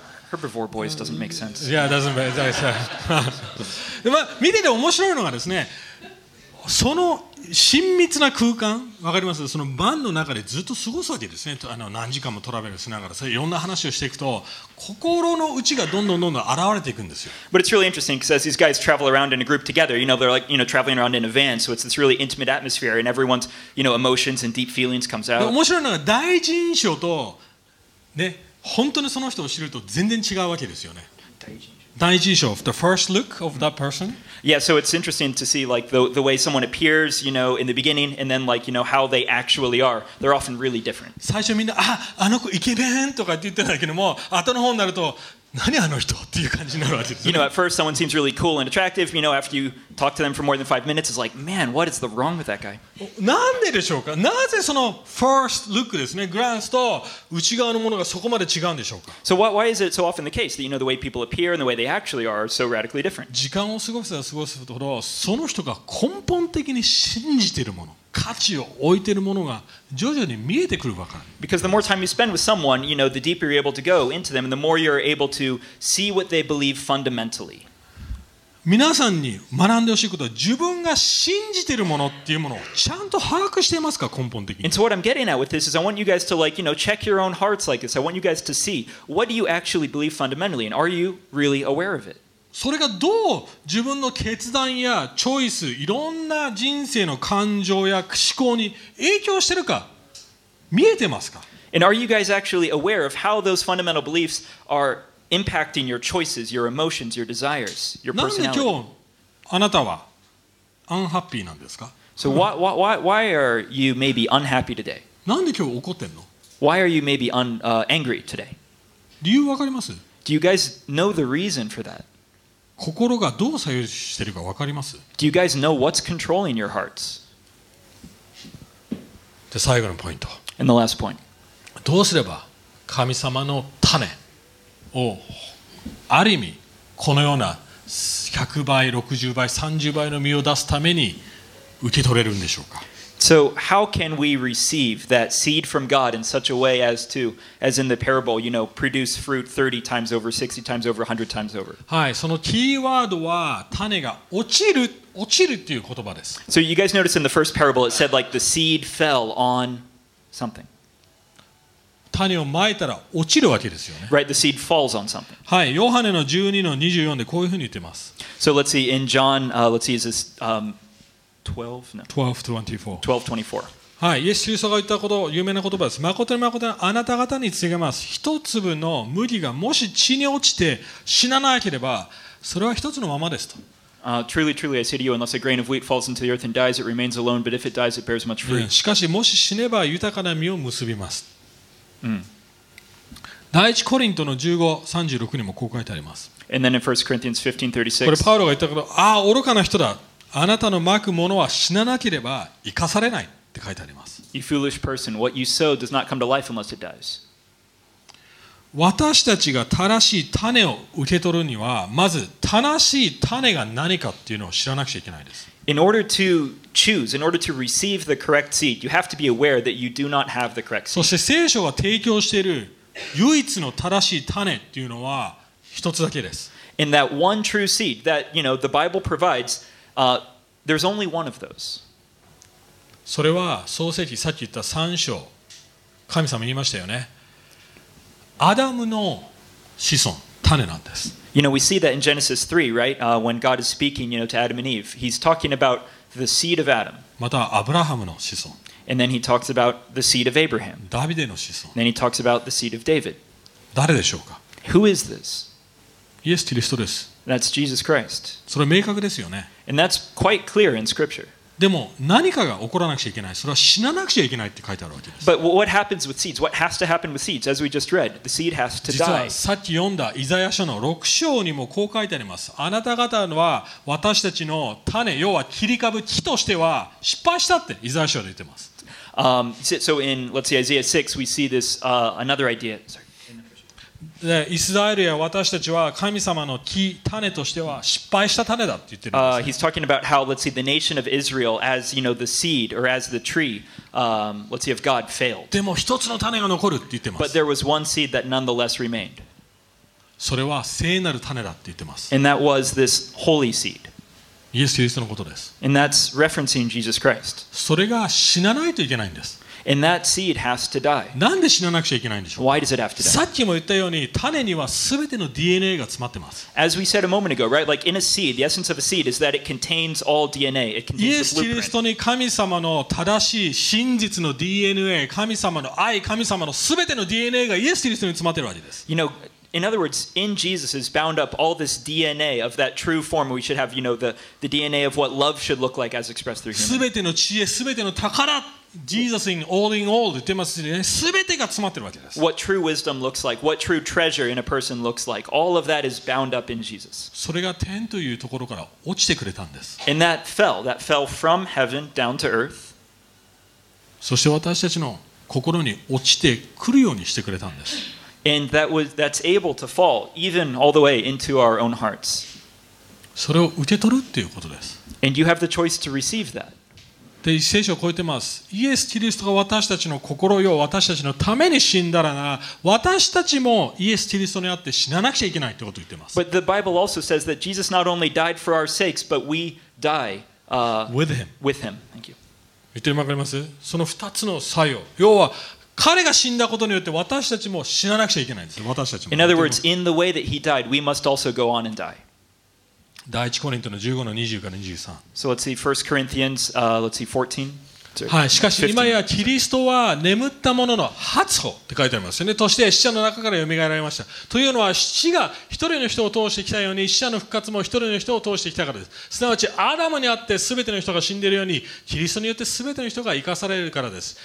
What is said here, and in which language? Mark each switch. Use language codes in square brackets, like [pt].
[en] Herbivore boys doesn't make sense. Yeah, it doesn't make sense. [ja] でまあ、見てて面白いのがですね、その親密な空間、わかります？そのバンの中でずっと過ごすわけですね。何時間もトラベルしながら、それいろんな話をしていくと、心の内がどんどんどんどん現れていくんですよ。 [en] But it's really interesting because as these guys travel around in a group together, you know, they're like, you know, traveling around in a van, so it's this really intimate atmosphere, and everyone's, you know, emotions and deep feelings comes out. [ja] 面白いのが第一印象と、ね、本当にその人を知ると全然違うわけですよね。第一印象 [en] the first look of that person. Yeah, so it's interesting to see like the way someone appears, you know, in the beginning, and then like you know how they actually are. They're often really different. [ja] 最初みんなあの子イケメンとかって言ってたけども、後の方になると何あの人っていう感じになるわけです [en] ね。You know, at first someone seems really cool and attractive. You know, after you talk to them for more than 5 minutes, it's like, man, what is the wrong with that guy? [ja] なんででしょうか。なぜその [en] first look [ja] ですね、グランスと内側のものがそこまで違うんでしょうか。 [en] So why is it so often the case that you know the way people appear and the way they actually are so radically different? [ja] 時間を過ごせば過ごすほど、その人が根本的に信じているもの。価値を置いているものが徐々に見えてくるわけ。 [en] Because the more time you spend with someone, you know, the deeper you're able to go into them, and the more you're able to see what they believe fundamentally. [ja] 皆さんに学んでほしいことは、自分が信じているものっていうものをちゃんと把握していますか、根本的に。 [en] And so what I'm getting at with this is, I want you guys to like, you know, check your own hearts like this. I want you guys to see what do you actually believe fundamentally, and are you really aware of it? [ja] それがどう自分の決断やチョイス、いろんな人生の感情や思考に影響してるか、見えてますか？ [en] And are you guys actually aware of how those fundamental beliefs are impacting your choices, your emotions, your desires, your personality? [ja] なんで今日あなたはアンハッピーなんですか？ [en] So why are you maybe unhappy today? [ja] なんで今日怒ってんの？ [en] Why are you maybe angry today? [ja] 理由わかります？ [en] Do you guys know the reason for that? [ja] 心がどう左右してるか分かります？ [en] Do you guys know what's controlling your hearts? [ja] で最後のポイント。 [en] And the last point. [ja] どうすれば神様の種をある意味このような100倍、60倍、30倍の実を出すために受け取れるんでしょうか？ [en] So how can we receive that seed from God in such a way as to, as in the parable, you know, produce fruit 30 times over, 60 times over, 100 times over? [ja] はい、そのキーワードは種が落ちるっていう言葉です。 [en] So you guys notice in the first parable it said like the seed fell on something. [ja] 種をまいたら落ちるわけですよね。 [en] Right, the seed falls on something. [ja] はい、ヨハネの12の24でこういうふうに言ってます。 [en] So let's see, in John, let's see, is this, [ja] 12:24. はい、イエス・キリストが言ったこと、有名な言葉です。まことにまことにあなた方に告げます。一粒の麦がもし地に落ちて死なないければ、それは一つのままですと。 [en] Truly, truly, I say to you, unless a grain of wheat falls into the earth and dies, it remains alone, but if it dies, it bears much fruit. [ja] しかしもし死ねば豊かな実を結びます。第一コリントの15:36にもこう書いてあります。 [en] And then in 1 Corinthians 15:36, [ja] これパウロが言ったけど、ああ、愚かな人だ。あなたの蒔くものは死ななければ生かされないって書いてあります。 [en] You foolish person, what you sow does not come to life unless it dies. [ja] 私たちが正しい種を受け取るにはまず正しい種が何かっていうのを知らなくちゃいけないです。 [en] In order to choose, in order to receive the correct seed, you have to be aware that you do not have the correct seed. [ja] そして聖書が提供している唯一の正しい種っていうのは一つだけです。 In that one true seed that, you know, the Bible provides, there's only one of those. それは創世記さっき言った三章、神様言いましたよね。アダムの子孫、種なんです。 [en] You know, we see that in Genesis 3, right? When God is speaking, you know, to Adam and Eve, He's talking about the seed of Adam. [ja] またアブラハムの子孫。 [en] And then He talks about the seed of Abraham. [ja] ダビデの子孫。 [en] And then He talks about the seed of David. [ja] 誰でしょうか? [en] Who is this? [ja] イエス・キリストです。 [en] That's Jesus Christ. [ja] それ明確ですよね。 [en] And that's quite clear in Scripture. [ja] でも何かが起こらなくちゃいけない。それは死ななくちゃいけないって書いてあるわけです。 [en] But what happens with seeds? What has to happen with seeds? As we just read, the seed has to die. [ja] 実はさっき読んだイザヤ書の6章にもこう書いてあります。あなた方は私たちの種、要は切り株、木としては失敗したってイザヤ書で言ってます。 [en] So in, let's see, Isaiah 6, we see this, another idea. [ja] でイスラエルや私たちは神様の木種としては失敗した種だって言ってるんです。 [en] He's talking about how, let's see, the nation of Israel as, you know, the seed or as the tree, let's see, of God failed. [ja] でも一つの種が残るって言ってます。 [en] But there was one seed that nonetheless remained. [ja] それは聖なる種だって言ってます。 [en] And that was this holy seed. [ja] イエス・キリストのことです。 [en] And that's referencing Jesus Christ. [ja] それが死なないといけないんです。 [en] And that seed has to die. [ja] なんで死ななくちゃいけないんでしょう? [en] Why does it have to die? [ja] さっきも言ったように、種にはすべての DNA が詰まってます。 [en] As we said a moment ago, right? Like in a seed, the essence of a seed is that it contains all DNA. It contains the blueprint. [ja] イエス・キリストに神様の正しい真実の DNA、神様の愛、神様のすべての DNA がイエス・キリストに詰まってるわけです。 [en] You know, in other words, in Jesus is bound up all this DNA of that true form. We should have, you know, the DNA of what love should look like as expressed through humans. [ja] すべての知恵、すべての宝。 [en] Jesus in all [ja] 言ってますしね、すべてが詰まってるわけです。 [en] What true wisdom looks like, what true treasure in a person looks like, all of that is bound up in Jesus. [ja] それが天というところから落ちてくれたんです。 [en] And that fell from heaven down to earth. [ja] そして私たちの心に落ちてくるようにしてくれたんです。 [en] And that's able to fall even all the way into our own hearts. [ja] それを受け取るっていうことです。 [en] And you have the choice to receive that. [ja] で聖書を超えてます。イエス・キリストが私たちの心よ、私たちのために死んだらな、私たちもイエス・キリストにあって死ななくちゃいけないってことを言ってます。 [en] But the Bible also says that Jesus not only died for our sakes, but we die with him. Thank you. [ja] 言ってもわかります?その二つの作用。要は彼が死んだことによって私たちも死ななくちゃいけないんです。私たちも。 [en] In other words, in the way that he died, we must also go on and die. [ja] 第一コリントの15:20-23。 [en] So let's see, 1 Corinthians, let's see, 14. [ja] はい、しかし今やキリストは眠った者の初歩って書いてありますよね。そして死者の中から蘇られました。というのは死が一人の人を通してきたように死者の復活も一人の人を通してきたからです。すなわちアダムにあって全ての人が死んでいるようにキリストによって全ての人が生かされるからです。